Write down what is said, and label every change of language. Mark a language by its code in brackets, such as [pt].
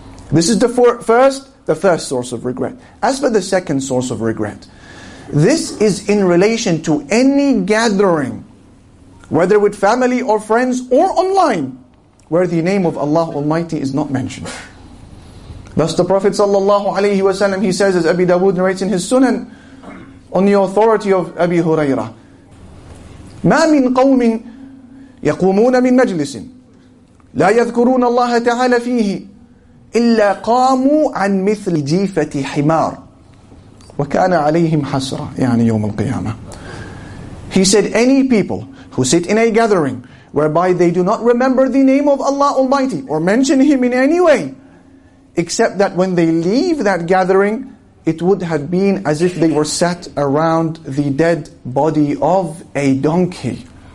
[en] This is the first source of regret. As for the second source of regret, this is in relation to any gathering, whether with family or friends or online, where the name of Allah Almighty is not mentioned. Thus the Prophet sallallahu alaihi wasallam, he says, as Abi Dawood narrates in his Sunan, on the authority of Abi Hurairah, [ar] ما من قوم يقومون من مجلس لا يذكرون الله تعالى فيه إلا قاموا عن مثل جيفة حمار وكان عليهم حسرة يعني يوم القيامة. [en] He said, any people who sit in a gathering whereby they do not remember the name of Allah Almighty or mention Him in any way, except that when they leave that gathering, it would have been as if they were sat around the dead body of a donkey.